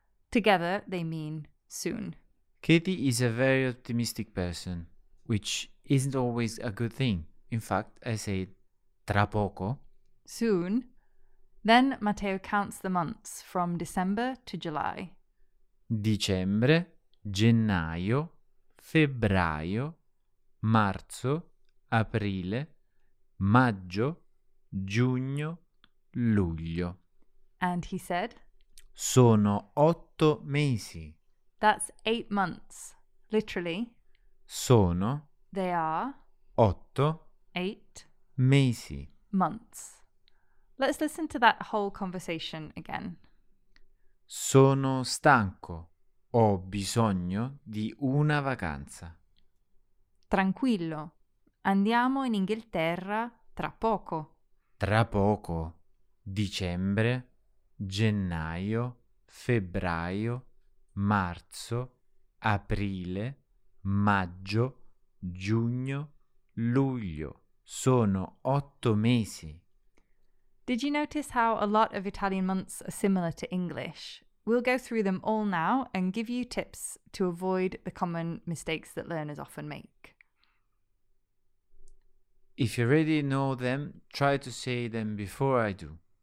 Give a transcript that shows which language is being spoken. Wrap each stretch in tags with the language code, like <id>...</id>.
<en>Together, they mean soon. Katie is a very optimistic person, which isn't always a good thing. In fact, I say tra poco. Soon. Then Matteo counts the months from December to July.</en> <it>Dicembre, gennaio, febbraio, marzo, aprile, maggio, giugno, luglio.</it> <en>And he said?</en> <it>Sono 8 mesi.</it> <en>That's 8 months, literally.</en> <it>Sono.</it> <en>They are.</en> <it>Otto.</it> <en>Eight.</en> <it>Mesi.</it> <en>Months. Let's listen to that whole conversation again.</en> <it>Sono stanco. Ho bisogno di una vacanza. Tranquillo. Andiamo in Inghilterra tra poco. Tra poco. Dicembre, gennaio, febbraio, marzo, aprile, maggio, giugno, luglio. Sono 8 mesi.</it> <en>Did you notice how a lot of Italian months are similar to English? We'll go through them all now and give you tips to avoid the common mistakes that learners often make. If you already know them, try to say them before I do.</en>